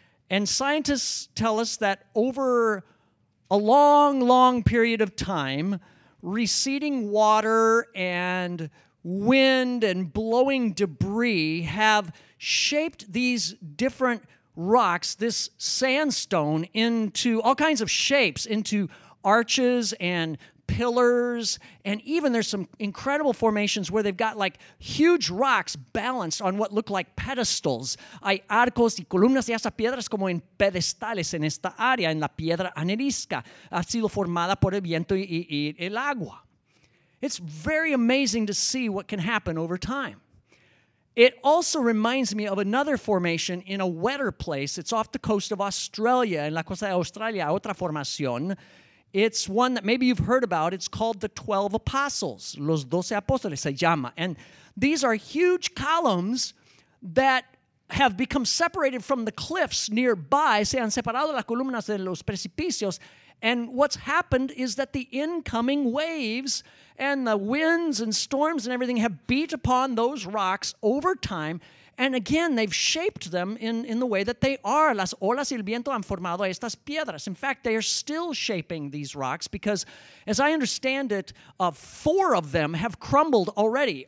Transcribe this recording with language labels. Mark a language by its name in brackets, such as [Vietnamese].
[English] And scientists tell us that over a long, long period of time, receding water and wind and blowing debris have shaped these different rocks, this sandstone, into all kinds of shapes, into arches and pillars, and even there's some incredible formations where they've got like huge rocks balanced on what look like pedestals. [Spanish] Hay arcos y columnas y hasta piedras como en pedestales en esta área, en la piedra anerisca. Ha sido formada por el viento y el agua. [English] It's very amazing to see what can happen over time. It also reminds me of another formation in a wetter place. It's off the coast of Australia, [Spanish] en la costa de Australia, otra formación. [English] It's one that maybe you've heard about. It's called the 12 Apostles. [Spanish] Los 12 Apóstoles se llama. [English] And these are huge columns that have become separated from the cliffs nearby. [Spanish] Se han separado las columnas de los precipicios. [English] And what's happened is that the incoming waves and the winds and storms and everything have beat upon those rocks over time. And again, they've shaped them in the way that they are. [Spanish] Las olas y el viento han formado estas piedras. [English] In fact, they are still shaping these rocks because, as I understand it, four of them have crumbled already.